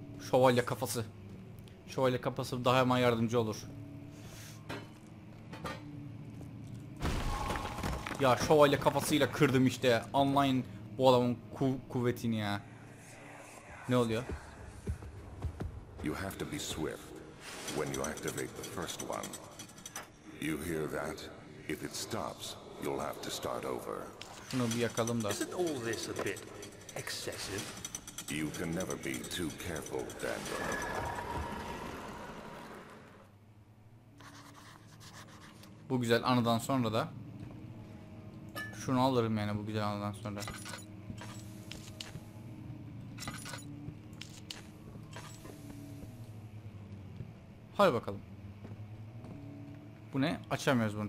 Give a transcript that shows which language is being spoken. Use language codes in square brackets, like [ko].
[tr] Şövalye kafası. Şövalye kafası daha hemen yardımcı olur. Ya şövalye kafasıyla kırdım işte. Online bu adamın kuvvetini ya. Ne oluyor? [en] You have to be swift when you activate the first one. You hear that? If it stops, you'll have to start over. [tr] Şunu bir yakalım da. [en] Isn't all this a bit excessive? You can never be too careful, Dandel. [tr] Bu güzel anıdan sonra da şunu alırım yani bu güzel anıdan sonra. Hadi bakalım. Bu ne? Açamıyoruz bunu.